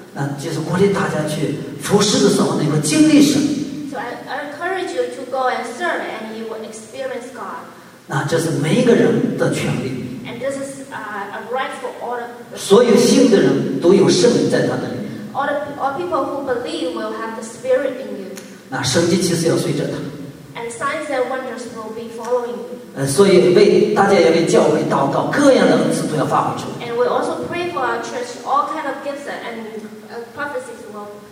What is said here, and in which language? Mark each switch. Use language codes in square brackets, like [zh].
[zh] 那就是鼓励大家去服侍的时候能够经历神。 [en] So I encourage you to go and serve, and you will experience God. [zh] 那这是每一个人的权利。 [en] And this is a right for all of you. [zh] 所有信的人都有圣灵在他的里面。 [en] All people who believe will have the Spirit in you. [zh] 那神迹其实要随着他。 [en] And signs and wonders will be following you. [zh] 所以为大家也为教会祷告，各样的恩赐都要发挥出。 [en] And we also pray for our church, all kind of gifts and prophecies will.